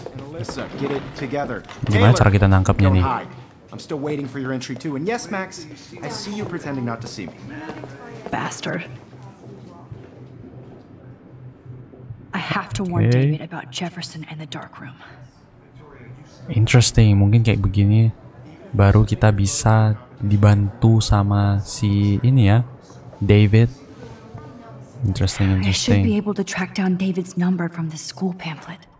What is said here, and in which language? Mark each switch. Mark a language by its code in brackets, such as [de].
[en] Melissa, get it together. [id] Gimana cara kita nangkapnya nih? [en] I'm still waiting for your entry too. And yes, Max, I see you pretending not to see me. Bastard. I have to warn David about Jefferson and the dark room. Interesting. [id] Mungkin kayak begini baru kita bisa dibantu sama si ini ya, David. [en] Interesting, interesting. I should be able to track down David's number from the school pamphlet.